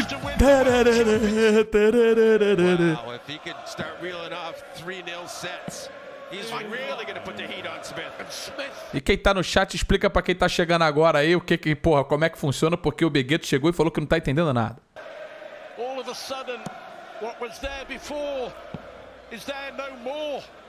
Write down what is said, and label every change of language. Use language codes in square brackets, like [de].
[en] Wow, if he could start reeling off 3-0 sets, he's really gonna put the heat on Smith. [pt] E quem tá no chat, explica pra quem tá chegando agora aí o que que, porra, como é que funciona, porque o Begueto chegou e falou que não tá entendendo nada. [en] All of a sudden, what was there before is there no more.